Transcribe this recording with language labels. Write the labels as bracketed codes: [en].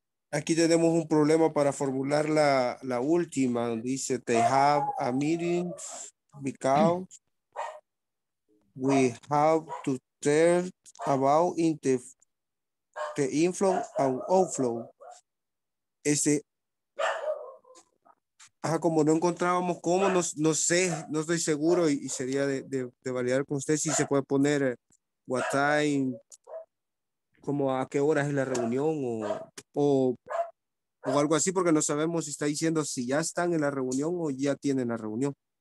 [es] Aquí tenemos un problema para formular la última. Dice, [en] they have a meeting because we have to tell about in the inflow and outflow. [es] Como no encontrábamos cómo, no estoy seguro y sería de validar con usted si se puede poner [en] what time, [es] como a qué hora es la reunión o algo así, porque no sabemos si está diciendo si ya están en la reunión o ya tienen la reunión.